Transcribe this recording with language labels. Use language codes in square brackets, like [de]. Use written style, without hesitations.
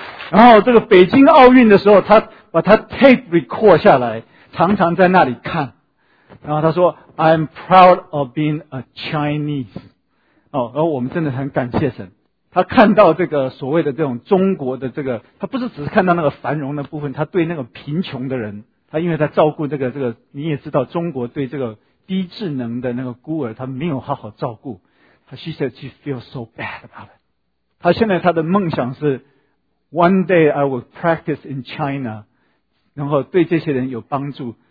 [zh] 然后这个北京奥运的时候，他把他 tape record 下来，常常在那里看。然后他说 ， [en] I'm proud of being a Chinese。 [zh] 哦，然后我们真的很感谢神。他看到这个所谓的这种中国的这个，他不是只是看到那个繁荣的部分，他对那个贫穷的人，他因为他照顾这个，你也知道中国对这个低智能的那个孤儿，他没有好好照顾。他 [en] She said she feels so bad about it。他现在他的梦想是 ， One day I will practice in China，然后对这些人有帮助。